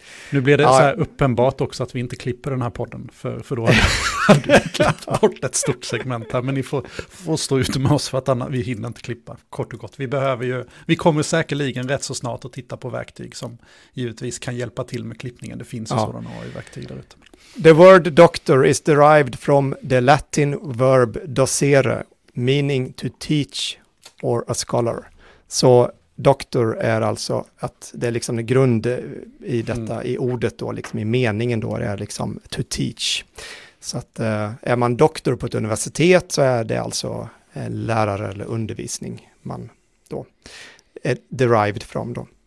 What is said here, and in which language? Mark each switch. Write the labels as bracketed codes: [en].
[sv] Nu blir det så här uppenbart också att vi inte klipper den här podden, för då hade vi klippt bort ett stort segment här, men ni får stå ute med oss för att vi hinner inte klippa, kort och gott. Vi kommer säkerligen rätt så snart att titta på verktyg som givetvis kan hjälpa till med klippningen. Det finns sådana AI-verktyg där ute. [en] The word doctor is derived from the Latin verb docere, meaning to teach or a scholar. [sv] Så doktor är alltså att det är liksom en grund i detta, i ordet då, liksom i meningen då, det är liksom [en] to teach. [sv] Så att är man doktor på ett universitet så är det alltså lärare eller undervisning man då är [en] derived from [sv] då.